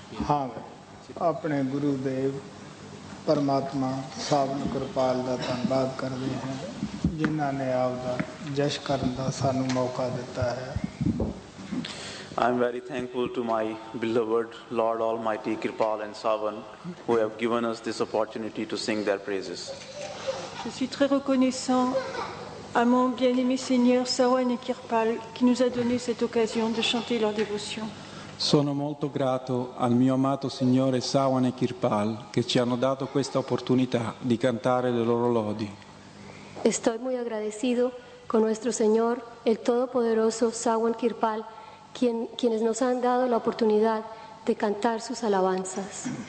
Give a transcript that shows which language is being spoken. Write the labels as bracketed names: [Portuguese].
[Punjabi] ਹਾਂ ਆਪਣੇ ਗੁਰੂ ਦੇਵ ਪਰਮਾਤਮਾ ਸਾਹਿਬ ਨੂੰ ਕਿਰਪਾਲ ਦਾ ਧੰਨਵਾਦ ਕਰਦੇ ਹਾਂ ਜਿਨ੍ਹਾਂ ਨੇ ਆਪਦਾ ਜਸ਼ ਕਰਨ ਦਾ ਸਾਨੂੰ ਮੌਕਾ ਦਿੱਤਾ ਹੈ। [English] I am very thankful to my beloved Lord Almighty Kirpal and Savan who have given us this opportunity to sing their praises. [French] Je suis très reconnaissant à mon bien-aimé Seigneur Savan et Kirpal qui nous a donné cette occasion de chanter leur dévotion. [Italian] Sono molto grato al mio amato Signore Savan e Kirpal che ci hanno dato questa opportunità di cantare le loro lodi. [Spanish] Estoy muy agradecido con nuestro Señor el Todopoderoso Savan Kirpal quienes nos han dado la oportunidad de cantar sus alabanzas.